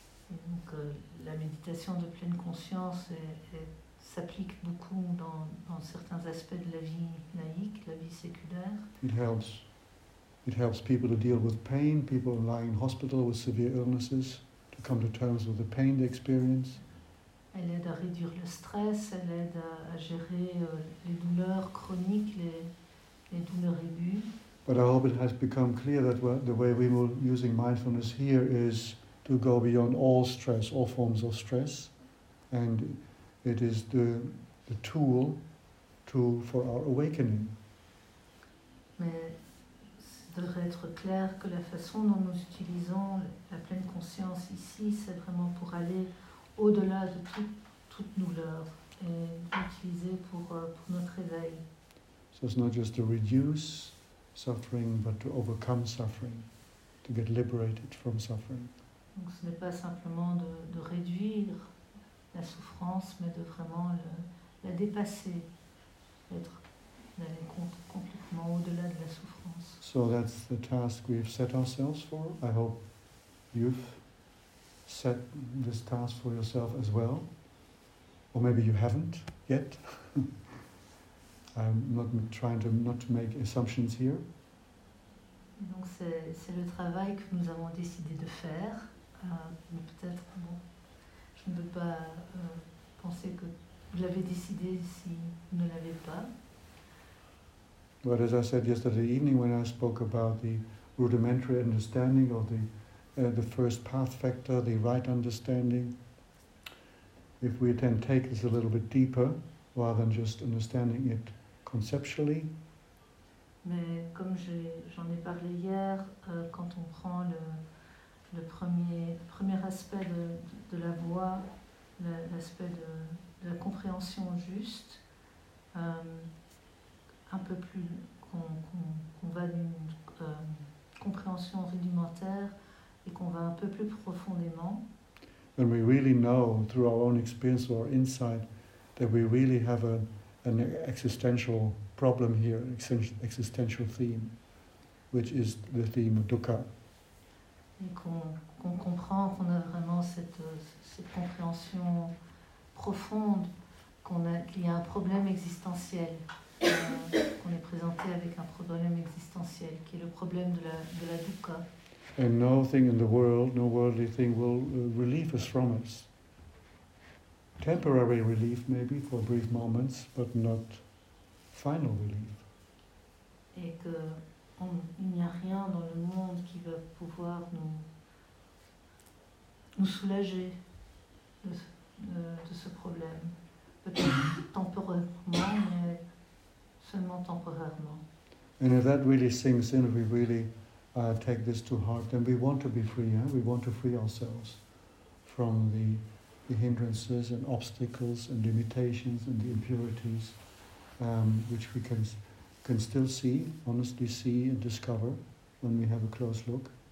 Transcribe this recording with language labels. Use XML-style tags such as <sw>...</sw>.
<fr>Donc, la méditation de pleine conscience s'applique beaucoup dans certains aspects de la vie laïque, la vie séculaire.</fr> <en>It helps people to deal with pain, people lying in hospital with severe illnesses, to come to terms with the pain they experience.</en> <fr>Elle aide à réduire le stress, elle aide à gérer les douleurs chroniques, les douleurs aiguës.</fr> <en>But I hope it has become clear that the way we were using mindfulness here is to go beyond all stress, all forms of stress, and it is the tool to for our awakening.</en> <fr>Mais ça devrait être clair que la façon dont nous utilisons la pleine conscience ici, c'est vraiment pour aller au-delà de toute douleur et l'utiliser pour notre éveil.</fr> <en>So it's not just to reduce suffering, but to overcome suffering, to get liberated from suffering.</en> <fr>Donc ce n'est pas simplement de réduire la souffrance, mais de vraiment la dépasser, d'aller complètement au-delà de la souffrance.</fr> <en>So that's the task we've set ourselves for. I hope you've set this task for yourself as well. Or maybe you haven't yet. I'm not trying to not make assumptions here.</en> <fr>Donc c'est le travail que nous avons décidé de faire. Peut-être, bon, je ne veux pas penser que vous l'avez décidé si vous ne l'avez pas.</fr> <en>But as I said yesterday evening when I spoke about the rudimentary understanding of the first path factor, the right understanding, if we then take this a little bit deeper rather than just understanding it conceptually.</en> <fr>Mais comme j'en ai parlé hier, quand on prend le premier aspect de la voie, l'aspect de la compréhension juste, un peu plus qu'on va d'une compréhension rudimentaire et qu'on va un peu plus profondément.</fr> <en>And we really know through our own experience or insight that we really have an existential problem here, existential theme, which is the theme of dukkha.</en> <fr>Et qu'on comprend qu'on a vraiment cette compréhension profonde qu'il y a un problème existentiel, qu'on est présenté avec un problème existentiel qui est le problème de la dukkha.</fr> <en>And nothing in the world, no worldly thing will relieve us from it. Temporary relief maybe for brief moments, but not final relief.</en> <fr>Et que il n'y a rien dans le monde qui va pouvoir nous soulager de ce problème. Peut-être temporairement, mais seulement temporairement.</fr> <en>And if that really sinks in, if we really take this to heart, then we want to be free, eh? We want to free ourselves from the hindrances and obstacles and limitations and the impurities which we can still see, honestly see and discover when we have a close look.</en>